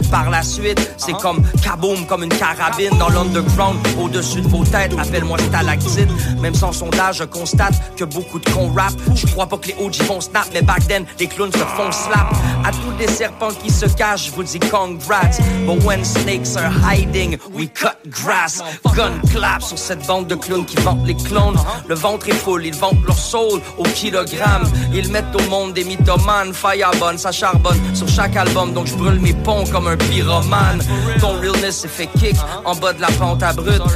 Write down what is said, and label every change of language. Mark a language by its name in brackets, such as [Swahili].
[French] Par la suite, c'est comme kaboom, comme une carabine dans l'underground, au-dessus de vos têtes. Appelle-moi stalactite. Même sans sondage, je constate que beaucoup de cons rap. Je crois pas que les OG font snap, mais [English] back then, [French] les clowns se font slap. À tous les serpents qui se cachent, je vous dis congrats. [English] But when snakes are hiding, we cut grass. Gun clap [French] sur cette bande de clowns qui vantent les clones. Le ventre est full, ils vantent leur soul au kilogramme. Ils mettent au monde des mythomanes. Firebun, ça charbonne sur chaque album. Donc je brûle mes ponts comme un pyromane. Ton realness s'est fait kick en bas de la pente à brut.